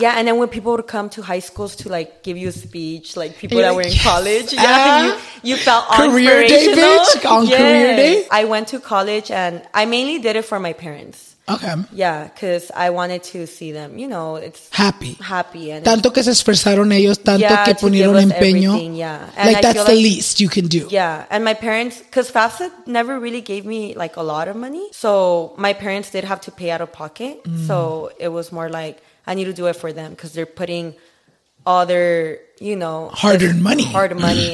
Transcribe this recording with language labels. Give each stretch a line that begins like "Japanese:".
English: Yeah, and then when people would come to high schools to like give you a speech, like people that were in college, you felt career inspirational. Day, bitch, on career day? I went to college and I mainly did it for my parents. Okay. Yeah, because I wanted to see them, you know, it's happy. And
Spanish: tanto que se esforzaron ellos, tanto que pusieron empeño.
English: Yeah. And like, that's the least you can do. Yeah. And my parents, because FAFSA never really gave me like a lot of money. So my parents did have to pay out of pocket. Mm. So it was more like, I need to do it for them because they're putting all their, you know, hard money